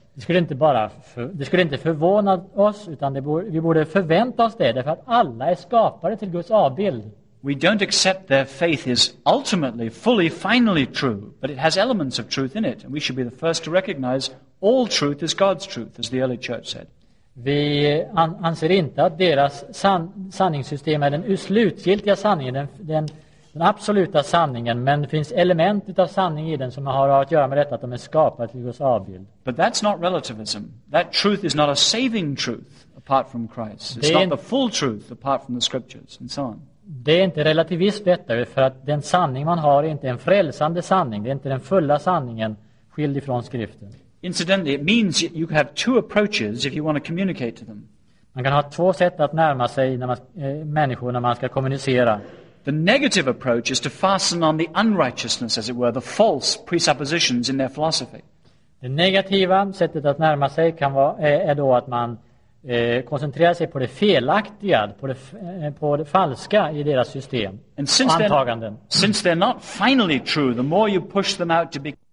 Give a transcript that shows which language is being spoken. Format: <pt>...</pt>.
<sv>Det skulle inte förvåna oss, utan vi borde förvänta oss det, därför att alla är skapade till Guds avbild.</sv> <en>We don't accept their faith is ultimately, fully, finally true, but it has elements of truth in it, and we should be the first to recognize all truth is God's truth, as the early church said.</en> <sv>Vi anser inte att deras sanningssystem är den slutgiltiga sanningen, den absoluta sanningen, men det finns element av sanning i den som har att göra med detta att de är skapade till Guds avbild.</sv> <en>But that's not relativism. That truth is not a saving truth apart from Christ. It's not the full truth apart from the scriptures and so on.</en> <sv>Det är inte relativism detta, för att den sanning man har är inte en frälsande sanning. Det är inte den fulla sanningen skild ifrån skriften.</sv> <en>Incidentally, it means you have two approaches if you want to communicate to them.</en> <sv>Man kan ha två sätt att närma sig människor när man ska kommunicera.</sv> <en>The negative approach is to fasten on the unrighteousness, as it were, the false presuppositions in their philosophy.</en> <sv>Det negativa sättet att närma sig kan vara är då att man koncentrerar sig på det felaktiga, på det falska i deras system.</sv> <en>And since they're not finally true, the more you push them out to be.</en>